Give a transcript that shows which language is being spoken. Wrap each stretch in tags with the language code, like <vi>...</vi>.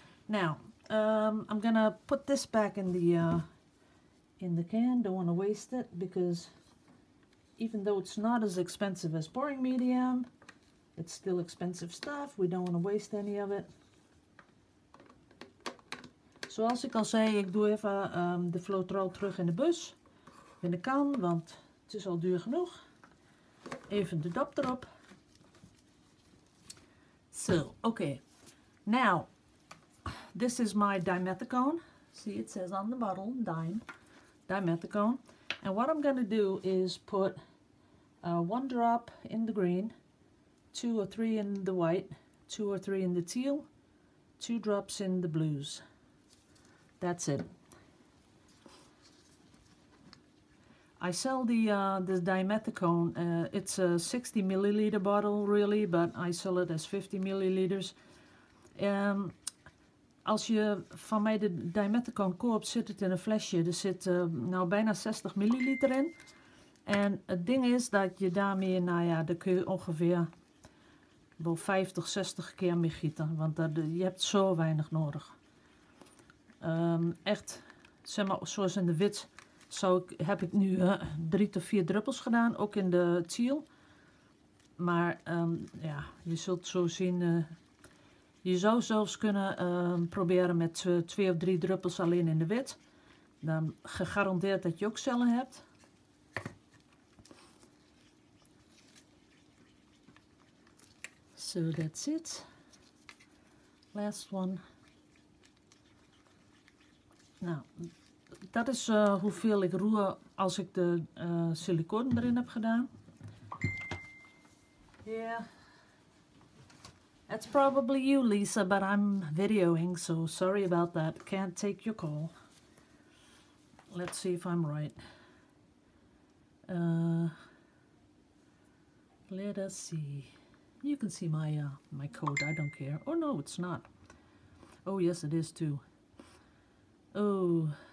<en>Now, I'm going to put this back in the can. Don't want to waste it because even though it's not as expensive as boring medium, it's still expensive stuff. We don't want to waste any of it.</en> <nl>Zoals ik al zei, ik doe even de floetrol terug in de bus. In de kan, want het is al duur genoeg. Even de dop erop. Zo, oké.</nl> <en>Now, this is my dimethicone. See, it says on the bottle, dimethicone. And what I'm going to do is put one drop in the green, two or three in the white, two or three in the teal, two drops in the blues. That's it. I sell the dimethicone. It's a 60 milliliter bottle, really, but I sell it as 50 milliliters.</en> <nl>Als je van mij de dimethicone koopt, zit het in een flesje. Er zit nou bijna 60 milliliter in. En het ding is dat je daarmee, nou ja, daar kun je ongeveer wel 50, 60 keer mee gieten. Want je hebt zo weinig nodig. Echt, zeg maar, zoals in de wit heb ik nu 3 tot 4 druppels gedaan, ook in de teal. Maar ja, je zult zo zien. Je zou zelfs kunnen proberen met 2 of 3 druppels alleen in de wit. Dan gegarandeerd dat je ook cellen hebt.</nl> <en>So that's it. Last one.</en> <nl>Nou, dat is hoeveel ik roer als ik de silicone erin heb gedaan.</nl> <en>Yeah. That's probably you, Lisa, but I'm videoing, so sorry about that. Can't take your call. Let's see if I'm right. Let us see. You can see my my code. I don't care. Oh, no, it's not. Oh, yes, it is, too. Oh.</en>